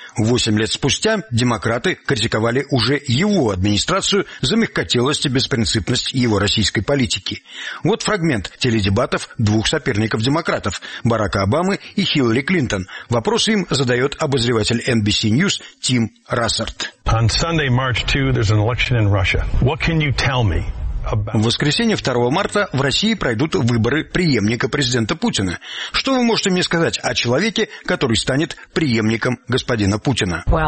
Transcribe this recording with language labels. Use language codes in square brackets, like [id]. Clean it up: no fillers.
[ru] 8 лет спустя демократы критиковали уже его администрацию за мягкотелость и беспринципность его российской политики. Вот фрагмент теледебатов двух соперников-демократов – Барака Обамы и Хиллари Клинтон. Вопрос им задает обозреватель NBC News Тим Рассерт. [en] On Sunday, March 2, there's an election in Russia. What can you tell me? [ru] В воскресенье 2 марта в России пройдут выборы преемника президента Путина. Что вы можете мне сказать о человеке, который станет преемником господина Путина?